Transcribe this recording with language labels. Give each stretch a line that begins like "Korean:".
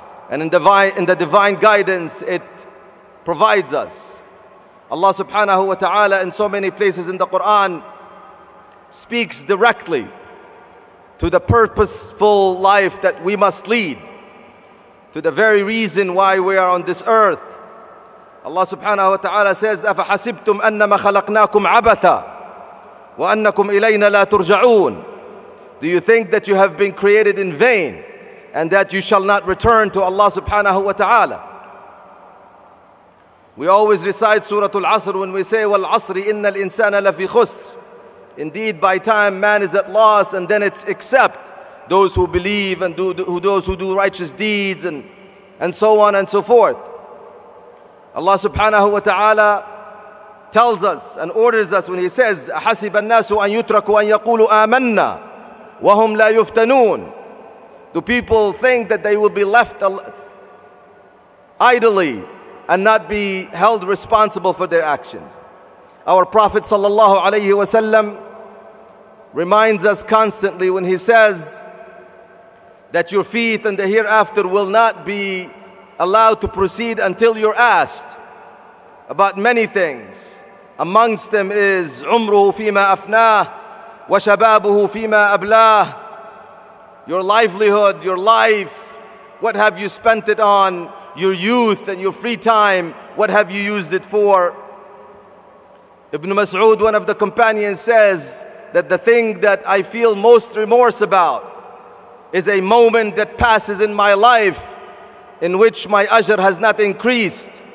English: And in the divine guidance it provides us. Allah
Arabic: subhanahu wa ta'ala
English: in so many places in the Quran speaks directly to the purposeful life that we must lead, to the very reason why we are on this earth. Allah subhanahu wa ta'ala says,
Arabic: أَفَحَسِبْتُمْ أَنَّمَا خَلَقْنَاكُمْ عَبَثًا وَأَنَّكُمْ إِلَيْنَا لَا تُرْجَعُونَ.
English: Do you think that you have been created in vain and that you shall not return to Allah
Arabic: subhanahu wa ta'ala?
English: We always recite Surah Al-Asr when we say,
Arabic: "Wal asri inna al-insana lafi khusr."
English: Indeed, by time, man is at loss, and then it's except those who believe and those who do righteous deeds and so on and so forth. Allah subhanahu wa ta'ala tells us and orders us when He says,
Arabic: "Ahasiba an-nasu an yutraku an yaqulu amanna." وَهُمْ لَا يُفْتَنُونَ.
English: Do people think that they will be left idly and not be held responsible for their actions? Our Prophet
Arabic: sallallahu alayhi wa sallam
English: reminds us constantly when he says that your feet and the hereafter will not be allowed to proceed until you're asked about many things. Amongst them is
Arabic: عُمْرُهُ فِيمَا أَفْنَاهُ وَشَبَابُهُ فِيمَا أَبْلَاهُ.
English: Your livelihood, your life, what have you spent it on? Your youth and your free time, what have you used it for? Ibn Mas'ud, one of the companions, says that the thing that I feel most remorse about is a moment that passes in my life in which my ajr has not increased.